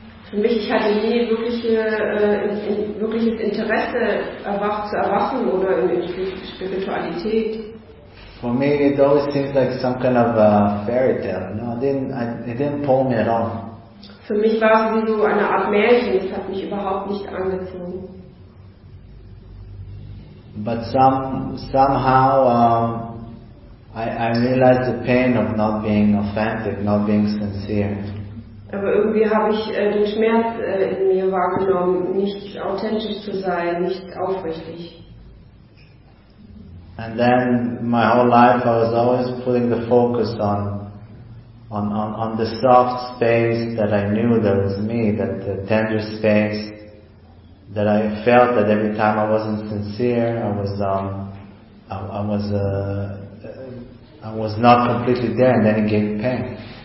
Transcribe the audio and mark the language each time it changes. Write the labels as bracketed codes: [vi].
[de] Für mich, ich hatte nie wirkliches Interesse zu erwachen oder in Spiritualität. [en] For me, it always seemed like some kind of a fairy tale. No, it didn't pull me at all. [de] Für mich war es wie so eine Art Märchen. Es hat mich überhaupt nicht angezogen. [en] But somehow I realized the pain of not being authentic, not being sincere. [de] Aber irgendwie habe ich den Schmerz in mir wahrgenommen, nicht authentisch zu sein, nicht aufrichtig. [en] And then my whole life I was always putting the focus on the soft space that I knew that was me, that the tender space. That I felt that every time I wasn't sincere, I was not completely there, and then it gave pain.